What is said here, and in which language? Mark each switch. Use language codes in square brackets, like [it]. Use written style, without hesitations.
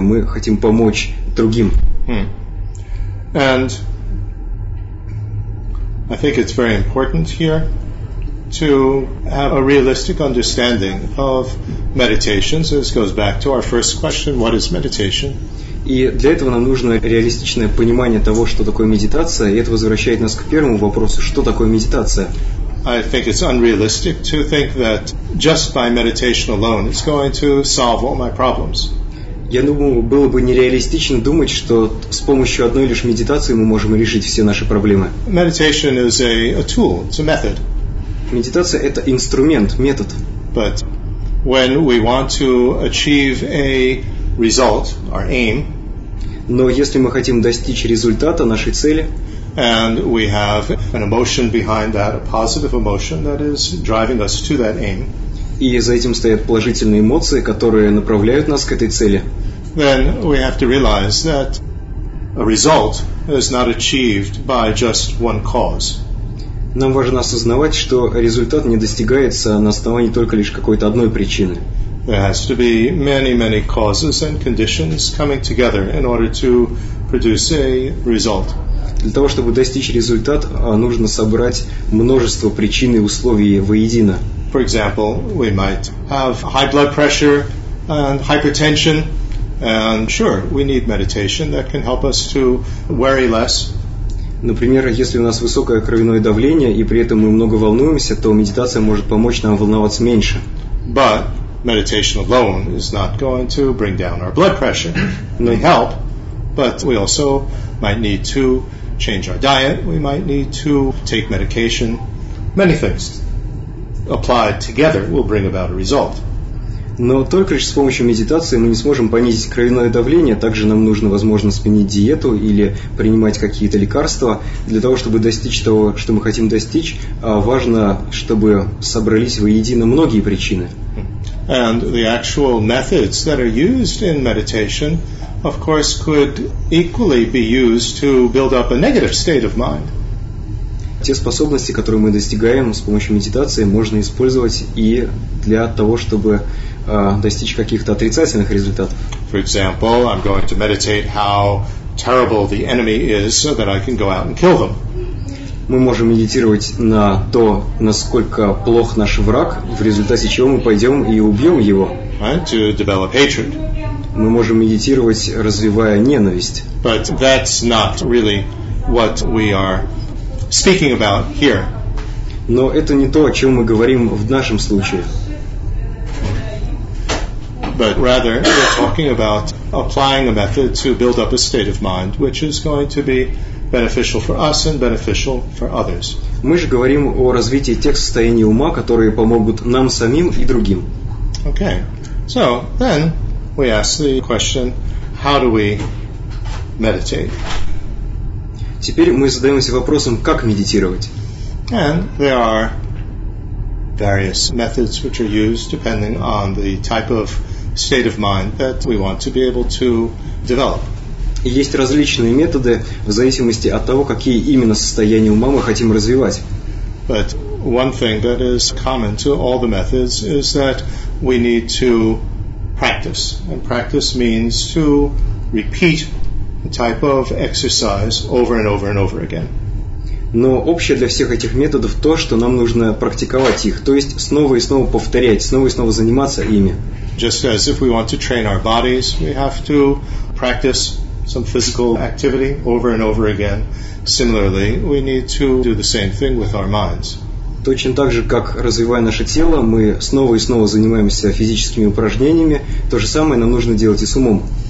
[ru] Мы хотим помочь другим. [en] And I think it's very important here to have a realistic understanding of meditation. So this goes back to our first question, what is meditation? [ru] И для этого нам нужно реалистичное понимание того, что такое медитация, и это возвращает нас к первому вопросу, что такое медитация? [en] I think it's unrealistic to think that just by meditation alone it's going to solve all my problems. [ru] Я думаю, было бы нереалистично думать, что с помощью одной лишь медитации мы можем решить все наши проблемы. [en] Meditation is a tool, it's a method. [ru] Медитация — это инструмент, метод. [en] But when we want to achieve a result, our aim, [ru] но если мы хотим достичь результата, нашей цели, [en] and we have an emotion behind that, a positive emotion that is driving us to that aim, [ru] и за этим стоят положительные эмоции, которые направляют нас к этой цели, [en] then we have to realize that a result is not achieved by just one cause. [ru] Нам важно осознавать, что результат не достигается на основании только лишь какой-то одной причины. [en] There has to be many, many causes and conditions coming together in order to produce a result. [ru] Для того, чтобы достичь результата, нужно собрать множество причин и условий воедино. [en] For example, we might have high blood pressure and hypertension, and sure, we need meditation that can help us to worry less. [ru] Например, если у нас высокое кровяное давление и при этом мы много волнуемся, то медитация может помочь нам волноваться меньше. [en] But meditation alone is not going to bring down our blood pressure. No help, but we also might need to change our diet, we might need to take medication. Many things applied together will bring about a result. [ru] Но только лишь с помощью медитации мы не сможем понизить кровяное давление. Также нам нужно, возможно, сменить диету или принимать какие-то лекарства. Для того, чтобы достичь того, что мы хотим достичь, важно, чтобы собрались воедино многие причины. [en] And the actual methods that are used in meditation, of course, could equally be used to build up a negative state of mind. [ru] Те способности, которые мы достигаем с помощью медитации, можно использовать и для того, чтобы достичь каких-то отрицательных результатов. [en] For example, I'm going to meditate how terrible the enemy is so that I can go out and kill them. [ru] Мы можем медитировать на то, насколько плох наш враг, в результате чего мы пойдем и убьем его. [en] Right? To develop hatred. [ru] Мы можем медитировать, развивая ненависть. [en] But that's not really what we are speaking about here. [ru] Но это не то, о чем мы говорим в нашем случае. [en] But rather, we're talking about applying a method to build up a state of mind, which is going to be beneficial for us and beneficial for others. [ru] Мы же говорим о развитии тех состояний ума, которые помогут нам самим и другим. [en] Okay. So then we ask the question, how do we meditate? [ru] Теперь мы задаемся вопросом, как медитировать? [en] And there are various methods which are used depending on the type of state of mind that we want to be able to develop. [ru] Есть различные методы в зависимости от того, какие именно состояния ума мы хотим развивать. [en] But one thing that is common to all the methods is that we need to practice. And practice means to repeat a type of exercise over and over and over again. [ru] Но общее для всех этих методов то, что нам нужно практиковать их, то есть снова и снова повторять, снова и снова заниматься ими. [en] Just as if we want to train our bodies, we have to practice some physical activity over and over again. Similarly, we need to do the same thing with our minds. [ru] Точно так же, как развивая наше тело, мы снова и снова занимаемся физическими упражнениями, то же самое нам нужно делать и с умом.